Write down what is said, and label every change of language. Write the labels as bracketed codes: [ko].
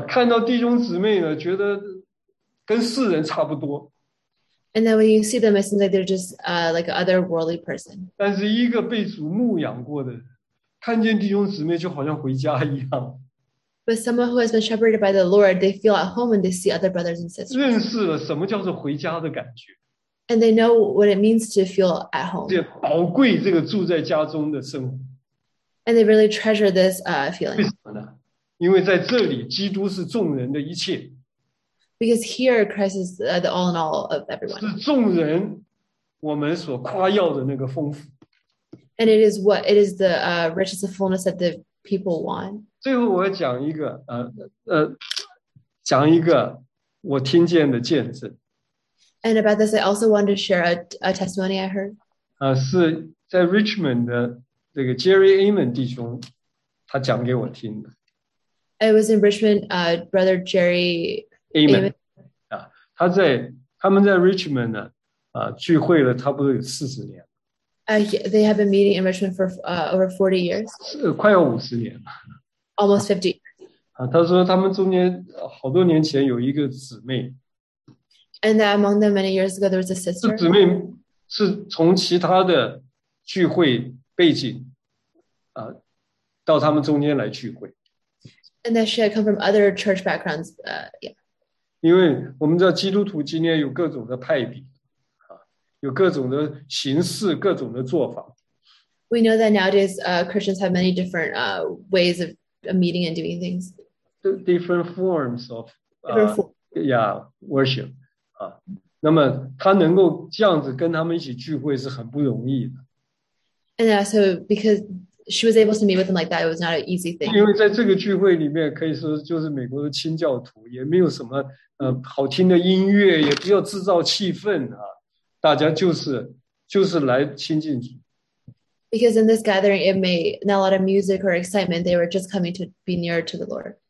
[zh] 看到弟兄姊妹呢，觉得跟世人差不多。 [en] And then when you see them, it seems like they're just like an otherworldly person. [zh] 但是一个被主牧养过的人，看见弟兄姊妹就好像回家一样。 [en] But someone who has been shepherded by the Lord, they feel at home when they see other brothers and [zh] 认识了什么叫做回家的感觉， [en] And they know what it means to feel at [zh] 这 [en] home. [zh] 宝贵这个住在家中的生活。 [en] And they really treasure this [zh] 为 [en] feeling. [zh] 什么呢？因为在这里，基督是众人的一切， [en] Because here, Christ is the all in all of everyone. [zh] 是众人我们所夸耀的那个丰富。 [en] And it is the riches of fullness that the people want. [zh] 最后，我要讲一个讲一个我听见的见证。 [en] And about this, I also wanted to share a testimony I heard. [zh] 是在 Richmond 的这个 Jerry Amon 弟兄，他讲给我听的。 [en] It was in Richmond, Brother Jerry Amon Amon. [zh] 他们在 Richmond 呢，聚会了差不多有40年， [en] They have been meeting in Richmond for over 40 years. [zh] 快要50年了。 [en] Almost 50 years. [zh] 他说他们中间好多年前有一个姊妹， [en] And that among them, many years ago, there was a [zh] 这 [en] sister. [zh] 姊妹是从其他的聚会背景，到他们中间来聚会。 [en] And that she had come from other church backgrounds. [zh] 因为我们知道基督徒今天有各种的派别，有各种的形式，各种的做法。 [en] We know that nowadays, Christians have many different ways of meeting and doing things. Different forms of Different forms. [zh] worship 那么他能够这样子跟他们一起聚会是很不容易的。 [en] And so because she was able to meet with him like that. It was not an easy thing. [zh] 因为在这个聚会里面，可以说就是美国的清教徒，也没有什么好听的音乐，也不要制造气氛啊，大家就是来亲近主。 [en] Because in this gathering, it may not a lot of music or excitement. They were just coming to be nearer to the Lord.